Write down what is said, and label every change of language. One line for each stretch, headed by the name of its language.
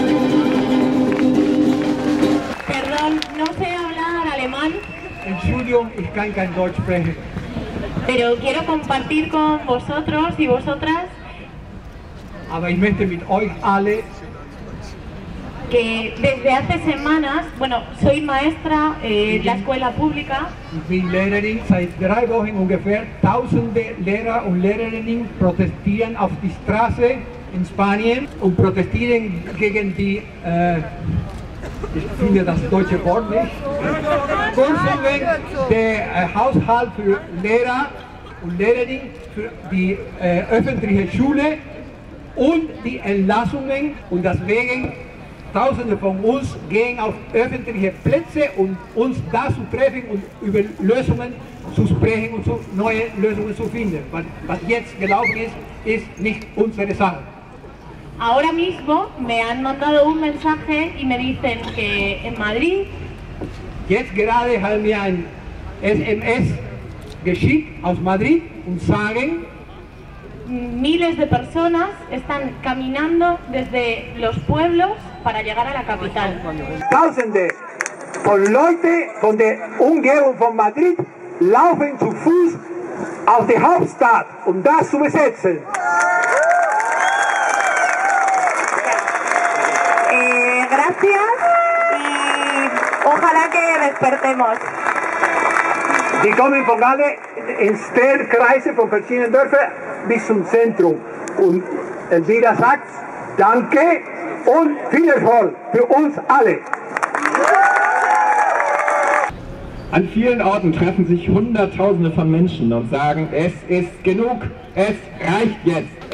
Spanish: Perdón, no sé hablar alemán.
German: Entschuldigung, ich kann kein Deutsch sprechen.
Spanish: Pero quiero compartir con vosotros y vosotras.
German: Aber ich möchte mit euch alle.
Spanish: Que desde hace semanas, bueno, soy maestra en la escuela pública.
German: Ich bin Lehrerin, seit 3 Wochen ungefähr. Tausende Lehrer und Lehrerinnen protestieren auf die Straße in Spanien und protestieren gegen die, ich finde das deutsche Wort nicht, Kürzungen der Haushalt für Lehrer und Lehrerinnen für die öffentliche Schule und die Entlassungen und deswegen Tausende von uns gehen auf öffentliche Plätze, um uns da zu treffen und über Lösungen zu sprechen und neue Lösungen zu finden. Was jetzt gelaufen ist, ist nicht unsere Sache.
Spanish: Ahora mismo me han mandado un mensaje y me dicen que en Madrid.
German: Jetzt gerade haben wir ein SMS geschickt aus Madrid und sagen.
Spanish: Miles de personas están caminando desde los pueblos para llegar a la capital.
German: Tausende von Leute von der Umgebung von Madrid laufen zu Fuß auf die Hauptstadt, um das zu besetzen.
Spanish: Gracias y ojalá que despertemos.
German: Die kommen von alle in Stellkreise von verschiedenen Dörfern bis zum Zentrum. Und in Niedersachs. Danke und viel Erfolg für uns alle. An vielen Orten treffen sich Hunderttausende von Menschen und sagen, es ist genug, es reicht jetzt.